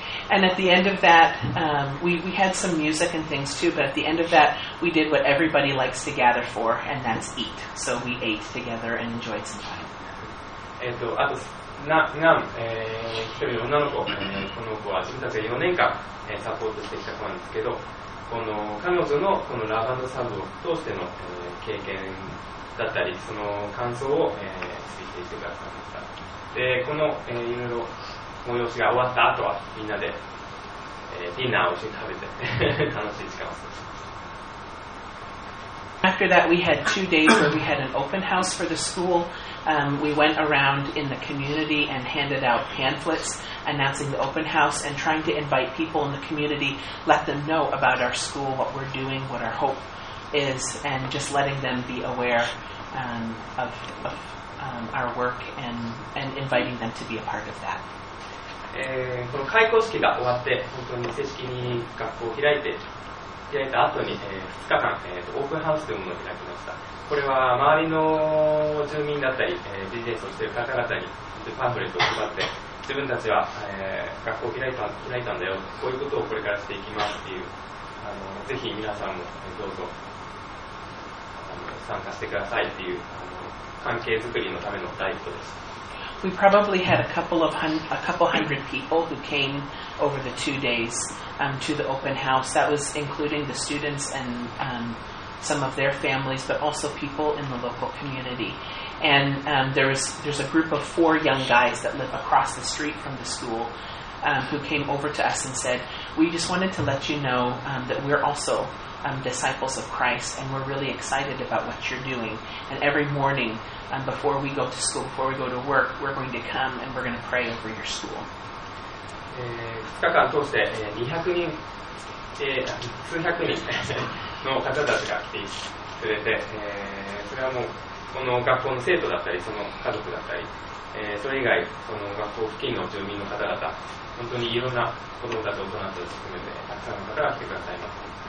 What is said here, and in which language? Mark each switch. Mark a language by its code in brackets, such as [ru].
[en] And at the end of that, we had some music and things too, but at the end of that, we did what everybody likes to gather for, and that's eat. So we ate together and enjoyed some time. [ja] あと、一人の女の子、この子は自分たちが4年間、サポートしてきた子なんですけど、この彼女のこのラブ&サブを通しての、経験だったり、その感想を、ついていってくださいました。で、この、いろいろ、催しが終わった後はみんなで、ディナーを一緒に食べて楽しい時間を過ごします。 [en] After that, we had 2 days where we had an open house for the school. We went around in the community and handed out pamphlets announcing the open house and trying to invite people in the community, let them know about our school, what we're doing, what our hope is, and just letting them be aware of our work and inviting them to be a part of that. [ja] この開校式が終わって本当に正式に学校を開いた後に、2日間、オープンハウスというものを開きました。これは周りの住民だったり、ビジネスをしている方々にパンフレットを配って自分たちは、学校を開いたんだよ、こういうことをこれからしていきますという、ぜひ皆さんもどうぞ参加してくださいという関係づくりのための第一歩です。 [en] We probably had a couple hundred people who came over the 2 days、to the open house. That was including the students and、some of their families, but also people in the local community. And、there's a group of 4 young guys that live across the street from the school、who came over to us and said, we just wanted to let you know、that we're also、disciples of Christ, and we're really excited about what you're doing. And every morning,before we go to school, before we go to work, we're going to come and we're going to pray over your school. [ja] 2日間通して200人、数百人の方たちが来てくれて、それはもうこの学校の生徒だったり、その家族だったり、それ以外、その学校付近の住民の方々、本当にいろんな子どもたち、大人たち含めて、たくさんの方が来てくださいました。